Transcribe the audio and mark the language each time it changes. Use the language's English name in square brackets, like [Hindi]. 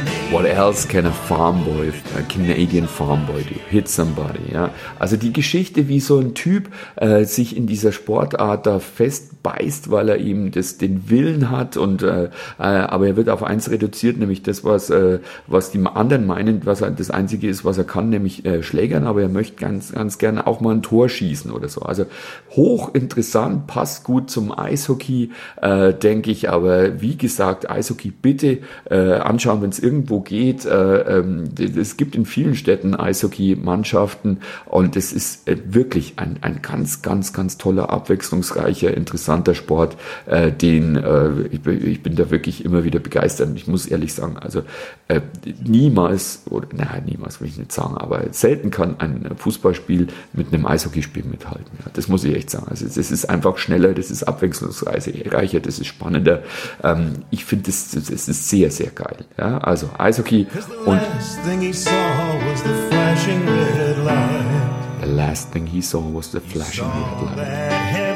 [English] What else can a farm boy, a Canadian farm boy do? Hit somebody, ja. [German] Also die Geschichte, wie so ein Typ sich in dieser Sportart da festbeißt, weil er eben den Willen hat und aber er wird auf eins reduziert, nämlich das, was die anderen meinen, was das Einzige ist, was er kann, nämlich schlägern, aber er möchte ganz, ganz gerne auch mal ein Tor schießen oder so. Also hochinteressant, passt gut zum Eishockey, denke ich, aber wie gesagt, Eishockey bitte anschauen, wenn es irgendwo geht. Es gibt in vielen Städten Eishockey-Mannschaften und es ist wirklich ein ganz, ganz, ganz toller, abwechslungsreicher, interessanter Sport, den ich bin da wirklich immer wieder begeistert. Ich muss ehrlich sagen, also niemals will ich nicht sagen, aber selten kann ein Fußballspiel mit einem Eishockeyspiel mithalten. Ja, das muss ich echt sagen. Also es ist einfach schneller, das ist abwechslungsreicher, das ist spannender. Ich finde, das ist sehr, sehr geil. Ja, also Eishockey. Und [English] the last thing he saw was the flashing red light.